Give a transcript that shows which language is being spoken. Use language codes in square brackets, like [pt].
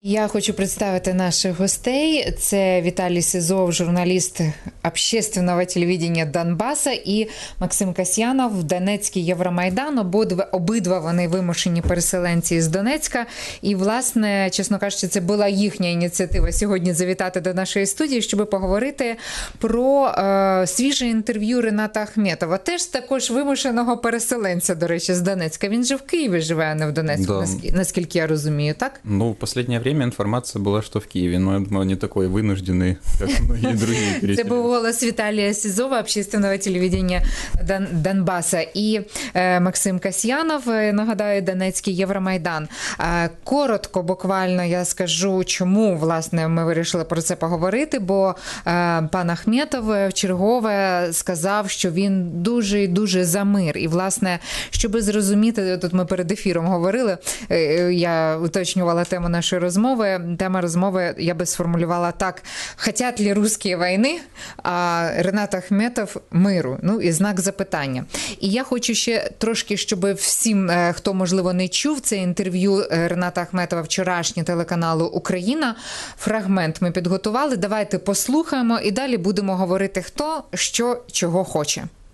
[uk] Я хочу представити наших гостей. Це Віталій Сизов, журналіст [ru] общественного телевидения Донбаса, [uk] і Максим Касьянов, Донецький Євромайдан. Обидва вони вимушені переселенці з Донецька. І, власне, чесно кажучи, це була їхня ініціатива сьогодні завітати до нашої студії, щоб поговорити про свіже інтерв'ю Рената Ахметова. Теж також вимушеного переселенця, до речі, з Донецька. Він же в Києві живе, а не в Донецьку, да. Наскільки я розумію, так? [ru] Ну, останнє время информация была, что в Киеве, но я думаю, не такой вынужденный, как многие другие переселенцы. Это был голос Виталия Сизова, общественного телевидения Донбасса, и Максим Касьянов, нагадаю, Донецкий Евромайдан. [uk] Коротко, буквально, я скажу, чому, власне, ми вирішили про це поговорити, бо пан Ахметов вчергове сказав, що він дуже і дуже за мир. І, власне, щоб зрозуміти, тут ми перед ефіром говорили, я уточнювала тему нашої розмови. Тема розмови я би сформулювала так: [ru] хотят ли русские войны, [uk] а Ренат Ахметов миру? Ну, і знак запитання. І я хочу ще трошки, щоб всім, хто, можливо, не чув це інтерв'ю Рената Ахметова вчорашнє телеканалу «Україна», фрагмент ми підготували. Давайте послухаємо і далі будемо говорити, хто, що, чого хоче.